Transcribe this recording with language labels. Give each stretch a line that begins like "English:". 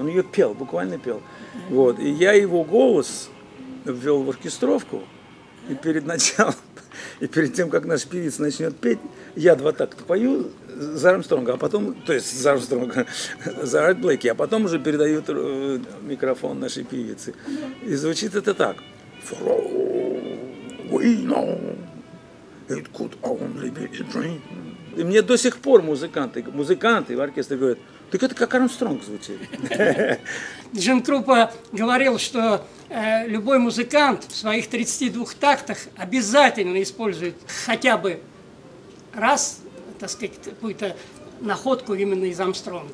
Russian: Он ее пел, буквально пел. Вот. И я его голос ввел в оркестровку, и перед началом, и перед тем, как наш певец начнет петь, я два такта пою за Армстронга, а потом, то есть за Армстронга, за Арт Блейки, а потом уже передают микрофон нашей певице. И звучит это так.
English: For all we know, it could only be a dream.
Russian: И мне до сих пор музыканты в оркестре говорят, так это как Армстронг звучит. Джим Круппа говорил, что любой музыкант в своих 32 тактах обязательно использует хотя бы раз, так сказать, какую-то находку именно из Армстронга.